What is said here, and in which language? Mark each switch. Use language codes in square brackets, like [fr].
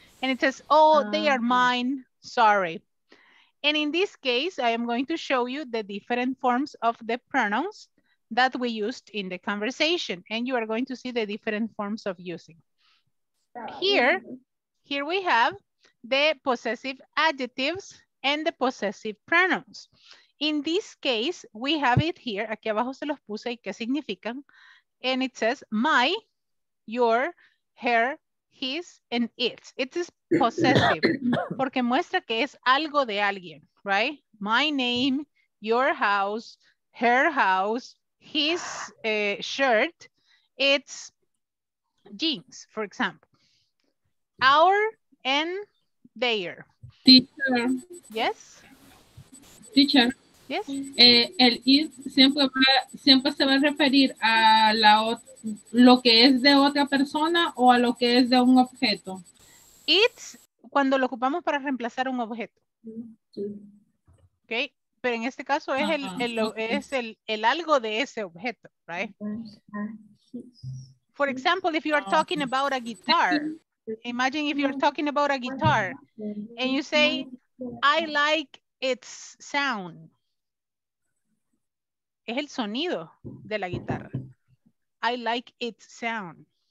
[en] And it says, oh, they are mine, sorry. And in this case, I am going to show you the different forms of the pronouns that we used in the conversation. And you are going to see the different forms of using. Here we have the possessive adjectives and the possessive pronouns. In this case, we have it here. [es] Aquí abajo se los puse y qué significan. [en] And it says my, your, her, his, and its. It is possessive [es] porque muestra que es algo de alguien, right? [en] My name, your house, her house, his shirt, its jeans, for example. Our and their. Teacher. Yes? Teacher. Yes. [es] El is siempre se va a referir a la lo que es de otra persona o a lo que es de un objeto. It's cuando lo ocupamos para reemplazar un objeto. Sí. Okay. Pero en este caso es el algo de ese objeto, right? [en] For example, if you are talking about a guitar, imagine if you are talking about a guitar and you say, I like its sound. [es] Es el sonido de la guitarra. [en] I like its sound.